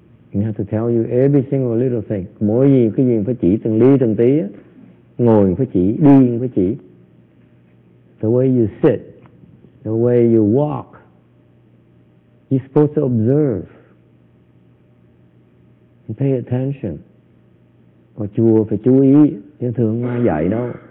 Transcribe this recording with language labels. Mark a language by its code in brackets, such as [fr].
[en] I have to tell you every single little thing. [vi] Mỗi gì, cái gì phải chỉ từng ly từng tí á. Ngồi phải chỉ, đi phải chỉ. [en] The way you sit, the way you walk, you're supposed to observe. Pay attention. [vi] Ở chùa phải chú ý, chứ thường ai dạy đâu.